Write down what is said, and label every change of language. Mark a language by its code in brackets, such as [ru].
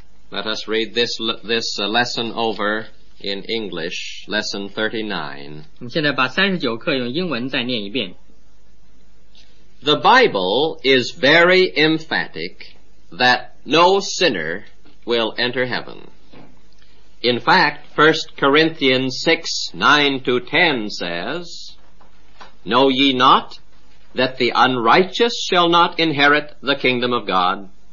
[en] Let us read this lesson over in English. Lesson 39. [zh] 我们现在把39课用英文再念一遍。 [en] The Bible is very emphatic that no sinner will enter heaven. In fact, 1 Corinthians 6:9-10 says, Know ye not that the unrighteous shall not inherit the kingdom of God?